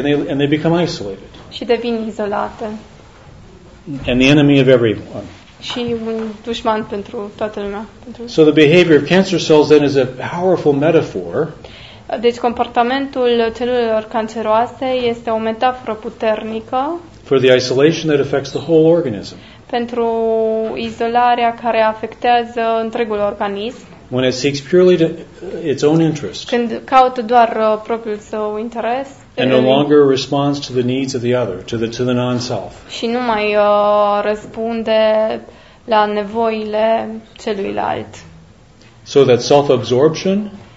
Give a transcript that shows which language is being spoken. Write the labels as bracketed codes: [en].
[en] And they become isolated. [ro] Și devin izolate. [en] And the enemy of everyone. [ro] Și un dușman pentru toată lumea. [en] So the behavior of cancer cells then is a powerful metaphor. [ro] Deci comportamentul celulelor canceroase este o metaforă puternică. [en] For the isolation that affects the whole organism. [ro] Pentru izolarea care afectează întregul organism. [en] When it seeks purely to its own interest. [ro] Când caută doar propriul său interes. [en] And no longer responds to the needs of the other, to the non-self. [ro] Și nu mai răspunde la nevoile celuilalt. [en] So that self-absorption.